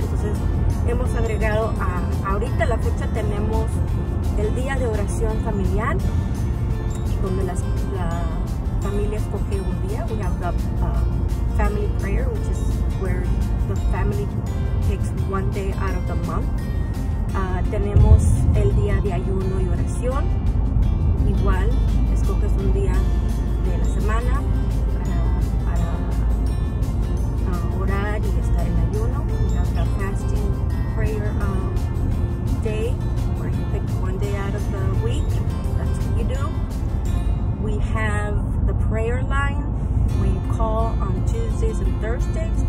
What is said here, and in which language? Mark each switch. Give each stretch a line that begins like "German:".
Spanish: Entonces hemos agregado, ahorita a la fecha tenemos el día de oración familiar, donde la familia escoge un día.
English: We have the family prayer, which is where the family takes one day out of the month.
Spanish: Tenemos el día de ayuno y oración. Igual, escoges un día de la semana para orar y estar en ayuno.
English: We have the fasting prayer day, where you pick one day out of the week. That's what you do. We have the prayer line, where you call on Tuesdays and Thursdays.